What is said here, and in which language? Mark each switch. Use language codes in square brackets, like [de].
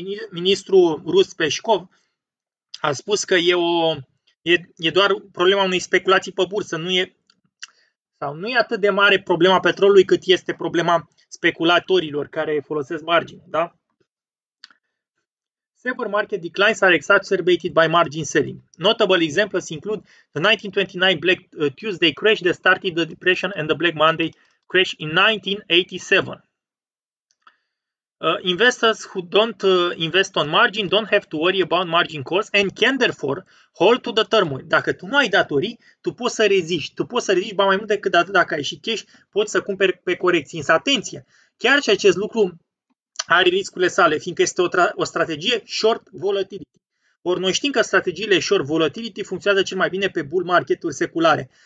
[ro] Ministrul rus Peșcov a spus că e doar problema unei speculații pe bursă, nu e atât de mare problema petrolului cât este problema speculatorilor care folosesc margin, da? [en] Several market declines are exacerbated by margin selling. Notable examples include the 1929 Black Tuesday crash that started the depression and the Black Monday crash in 1987. Investors who don't invest on margin don't have to worry about margin calls and can therefore hold to the turmoil. [ro] Dacă tu nu ai datorii, tu poți să reziști. Tu poți să reziști, ba mai mult decât atât, dacă ai și cash, poți să cumperi pe corecții. Însă atenție, chiar și acest lucru are riscurile sale, fiindcă este o strategie short volatility. Ori noi știm că strategiile short volatility funcționează cel mai bine pe bull market-uri seculare.